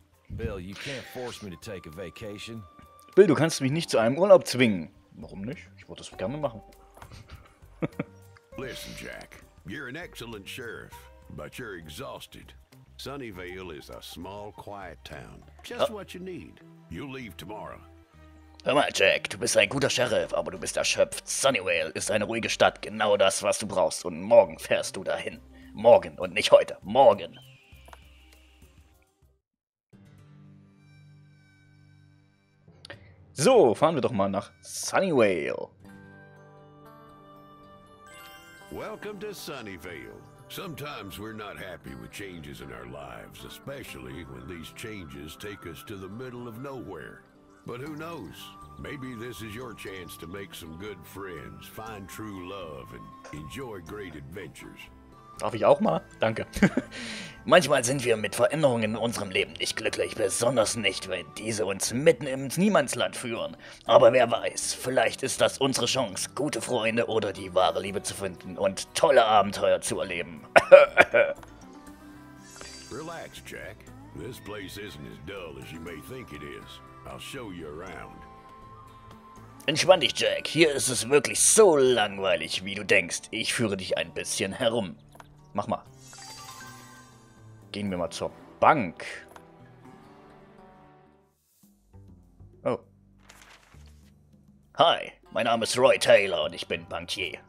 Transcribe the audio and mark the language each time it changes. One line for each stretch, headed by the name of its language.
English: Bill, you can't force me to take a vacation.
German: Bill, du kannst mich nicht zu einem Urlaub zwingen. Warum nicht? Ich würde das gerne machen.
English: Listen, Jack. You're an excellent sheriff, but you're exhausted. Sunnyvale is a small, quiet town. Just what you need. You leave tomorrow.
German: Hör mal, Jack. Du bist ein guter Sheriff, aber du bist erschöpft. Sunnyvale ist eine ruhige Stadt. Genau das, was du brauchst. Und morgen fährst du dahin. Morgen und nicht heute. Morgen. Hey. So, fahren wir doch mal nach Sunnyvale.
English: Welcome to Sunnyvale. Sometimes we're not happy with changes in our lives, especially when these changes take us to the middle of nowhere. But who knows? Maybe this is your chance to make some good friends, find true love and enjoy great adventures.
German: Darf ich auch mal? Danke. Manchmal sind wir mit Veränderungen in unserem Leben nicht glücklich, besonders nicht, wenn diese uns mitten ins Niemandsland führen. Aber wer weiß, vielleicht ist das unsere Chance, gute Freunde oder die wahre Liebe zu finden und tolle Abenteuer zu erleben.
English: Relax, Jack. This place isn't as dull as you may think it is. I'll show you around.
German: Entspann dich, Jack. Hier ist es wirklich so langweilig, wie du denkst. Ich führe dich ein bisschen herum. Mach mal. Gehen wir mal zur Bank. Oh. Hi, mein Name ist Roy Taylor und ich bin Bankier.